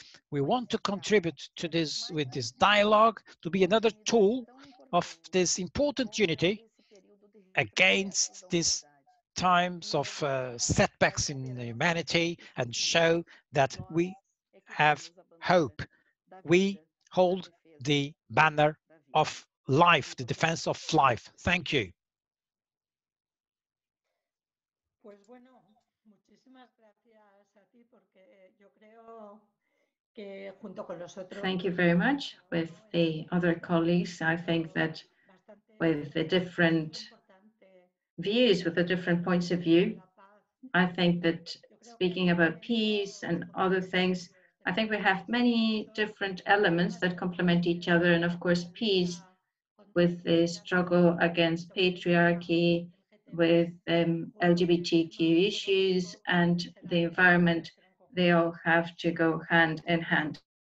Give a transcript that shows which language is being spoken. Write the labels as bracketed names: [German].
[English] We want to contribute to this with this dialogue to be another tool of this important unity against these times of setbacks in humanity, and show that we have hope. We hold the banner of life, the defense of life. Thank you. [Spanish] Pues bueno, muchísimas gracias a ti porque yo creo que junto con los otros. [English] Thank you very much. With the other colleagues, I think that with the different views, with the different points of view, I think that speaking about peace and other things, I think we have many different elements that complement each other, and of course, peace with the struggle against patriarchy, with LGBTQ issues and the environment, they all have to go hand in hand.